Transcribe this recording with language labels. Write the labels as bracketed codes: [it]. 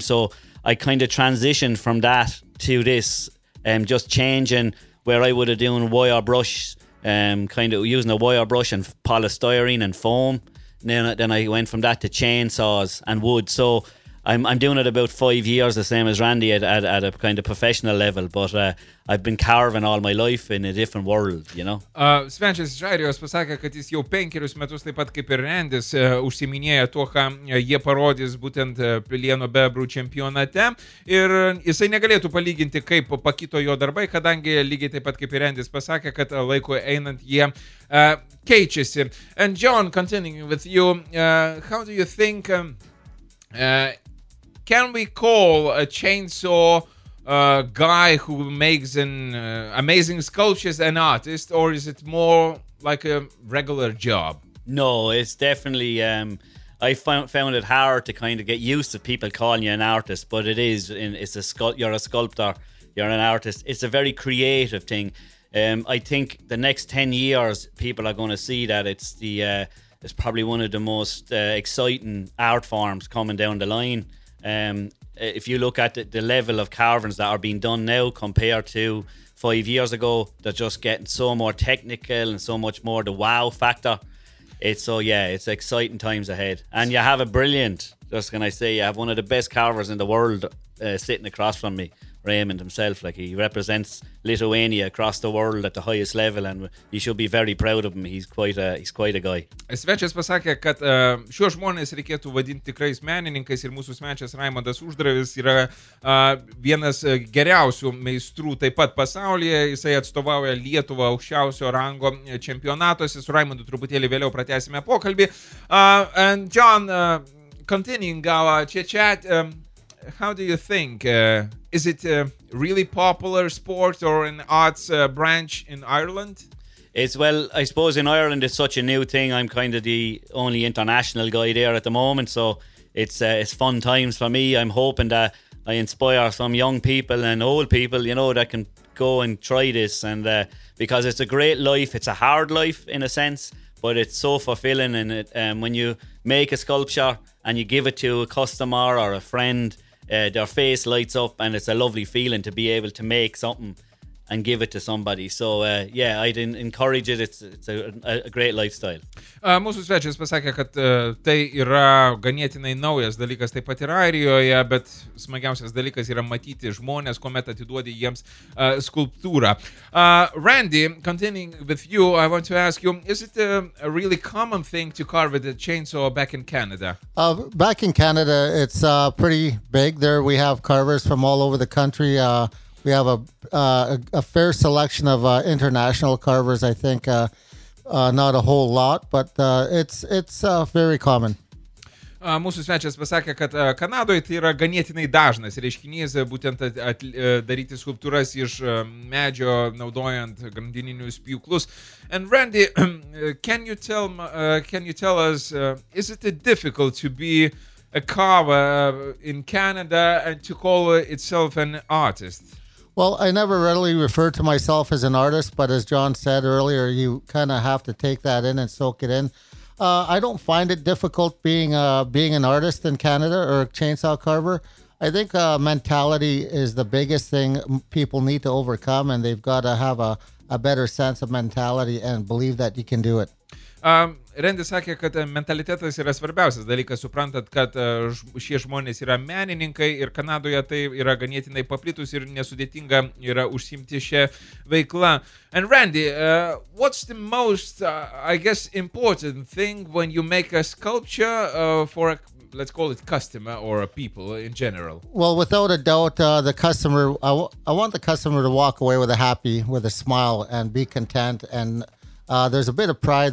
[en] So I kind of transitioned from that to this, just changing where I would have done wire brush, kind of using a wire brush and polystyrene and foam. Then I went from that to chainsaws and wood. So I'm doing it about 5 years, the same as Randy, at a kind of professional level, but I've been carving all my life in a different world, you know. [lt] Svenčias Žairijos pasakė, kad jis jau 5 metus, taip pat kaip ir Randis, užsiminėja tuo, ką jie parodys būtent plieno bebrų čempionate. Ir jisai negalėtų palyginti, kaip pakito jo darbai, kadangi lygiai taip pat kaip ir Randis pasakė, kad laiko einant jie keičiasi. [en] And John, continuing with you, how do you think... can we call a chainsaw guy who makes an amazing sculptures an artist, or is it more like a regular job? No, it's definitely I found it hard to kind of get used to people calling you an artist, but it is. You're a sculptor, you're an artist. It's a very creative thing. I think the next 10 years people are going to see that it's the it's probably one of the most exciting art forms coming down the line. If you look at the level of carvings that are being done now compared to 5 years ago, they're just getting so more technical and so much more the wow factor. It's exciting times ahead. And you have a brilliant, just can I say, you have one of the best carvers in the world sitting across from me, Raymond himself. Like, he represents Lithuania across the world at the highest level, and you should be very proud of him. He's quite a guy. [lt] Svečias pasakė, kad šiuos žmonės reikėtų vadinti tikrais menininkais, ir mūsų svečias Raimondas Uždravis yra vienas geriausių meistrų taip pat pasaulyje. Jisai atstovauja Lietuvą aukščiausio rango čempionatuose. Su Raimondu truputėlį vėliau pratęsime pokalbį. [en] And John, continuing our chat, how do you think, is it a really popular sport or an arts branch in Ireland? I suppose in Ireland it's such a new thing. I'm kind of the only international guy there at the moment, so it's fun times for me. I'm hoping that I inspire some young people and old people, you know, that can go and try this, and because it's a great life. It's a hard life in a sense, but it's so fulfilling, and when you make a sculpture and you give it to a customer or a friend, their face lights up, and it's a lovely feeling to be able to make something and give it to somebody. So I'd encourage it. It's a great lifestyle. [lt] Mūsų svečias pasakė, kad tai yra ganėtinai naujas dalykas taip pat ir Airijoje, bet smagiausias dalykas yra matyti žmonės, kuomet atiduodi jiems skulptūrą. [en] Randy, continuing with you, I want to ask you, is it a really common thing to carve with a chainsaw back in Canada? Back in Canada, it's pretty big. There we have carvers from all over the country. We have a fair selection of international carvers, I think. Not a whole lot, but it's very common. [lt] Mūsų svečias pasakė, kad Kanadoje tai yra ganėtinai dažnas reiškinys, būtent daryti skulptūras iš medžio, naudojant grandininius pjūklus. [en] And Randy, can you tell us, is it difficult to be a carver in Canada and to call itself an artist? Well, I never really refer to myself as an artist, but as John said earlier, you kind of have to take that in and soak it in. I don't find it difficult being an artist in Canada or a chainsaw carver. I think mentality is the biggest thing people need to overcome, and they've got to have a better sense of mentality and believe that you can do it. [lt] Randy sakė, kad mentalitetas yra svarbiausias dalykas, suprantat, kad šie žmonės yra menininkai ir Kanadoje tai yra ganėtinai paplitus ir nesudėtinga yra užsiimti šią veiklą. [en] And Randy, what's the most, I guess, important thing when you make a sculpture for a, let's call it customer or a people in general? Well, without a doubt, the customer, I want the customer to walk away with a happy, with a smile and be content and there's a bit of pride.